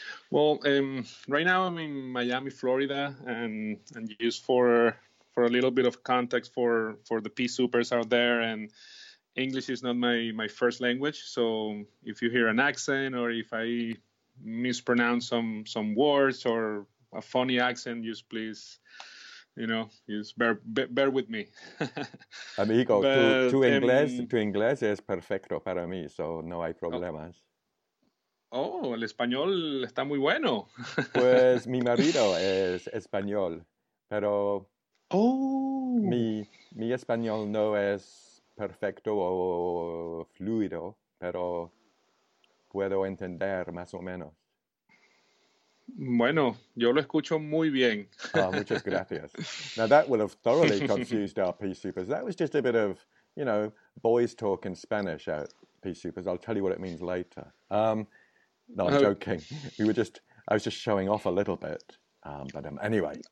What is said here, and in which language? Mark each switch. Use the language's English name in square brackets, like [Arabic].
[English] Well, right now I'm in Miami, Florida, and just for a little bit of context for the Pea Soupers out there, and English is not my first language, so if you hear an accent or if I mispronounce some words or a funny accent, just please, you know, just bear with me. [Spanish] Amigo, tu inglés es perfecto para mí, [English] so [Spanish] no hay problemas. Oh. Oh, el español está muy bueno. Pues mi marido es español, pero mi español no es perfecto o fluido, pero puedo entender más o menos. Bueno, yo lo escucho muy bien. Oh, muchas gracias. [English] Now that will have thoroughly confused our Pea Soupers. That was just a bit of, you know, boys talk in Spanish out Pea Soupers. I'll tell you what it means later. No, I'm joking. I was just showing off a little bit. But anyway.